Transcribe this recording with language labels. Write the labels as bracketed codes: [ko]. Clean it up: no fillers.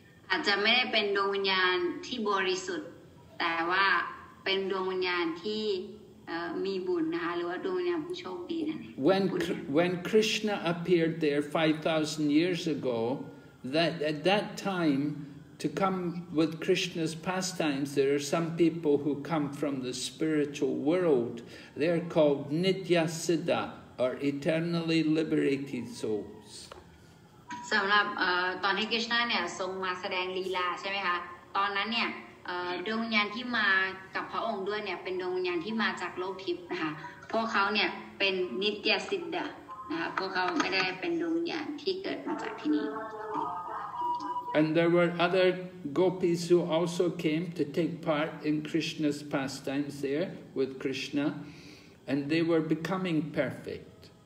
[th] อาจจะไม่ได้เป็นดวงวิญญาณที่บริสุทธิ์แต่ว่าเป็นดวงวิญญาณที่มีบุญนะคะหรือว่าดวงวิญญาณผู้โชคดีนั่นเอง [en] When Krishna appeared there 5,000 years ago, that at that time to come with Krishna's pastimes, there are some people who come from the spiritual world. They are called Nitya Siddha or eternally liberated souls. [th] สำหรับตอนที่ Krishna เนี่ยทรงมาแสดงลีลาใช่ไหมคะตอนนั้นเนี่ยดวงวิญญาณที่มากับพระองค์ด้วยเนี่ยเป็นดวงวิญญาณที่มาจากโลกทิพย์นะคะพวกเขาเนี่ยเป็นนิตยสิทธะนะคะพวกเขาไม่ได้เป็นดวงวิญญาณที่เกิดมาจากที่นี่ [en] And there were other gopis who also came to take part in Krishna's pastimes there with Krishna and they were becoming perfect